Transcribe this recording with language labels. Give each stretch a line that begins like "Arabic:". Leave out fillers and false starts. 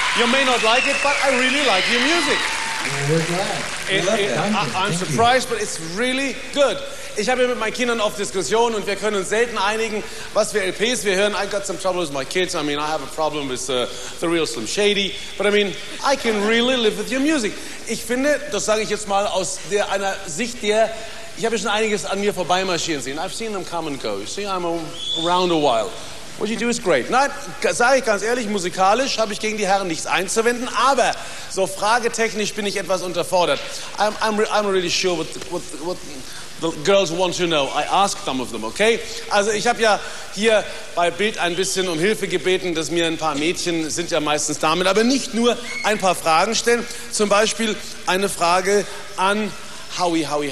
English: You may not like it, but I really like your music. I'm surprised, but it's really good.
German: Ich habe mit meinen Kindern oft Diskussionen und wir können uns selten einigen, was für LPs wir hören.
English: I've got some trouble with my kids. I mean, I have a problem with the real Slim Shady. But I mean, I can really live with your music.
German: Ich finde, das sage ich jetzt mal aus der, einer Sicht der, ich habe schon einiges an mir vorbeimarschieren sehen.
English: I've seen them come and go. You see, I'm around a while. What you do is great.
German: Nein, sage ich ganz ehrlich, musikalisch habe ich gegen die Herren nichts einzuwenden, aber so fragetechnisch bin ich etwas unterfordert.
English: I'm really sure what the girls want to know. I asked some of them, okay?
German: Also ich habe ja hier bei Bild ein bisschen um Hilfe gebeten, dass mir ein paar Mädchen, sind ja meistens Damen, aber nicht nur ein paar Fragen stellen. Zum Beispiel eine Frage an Howie.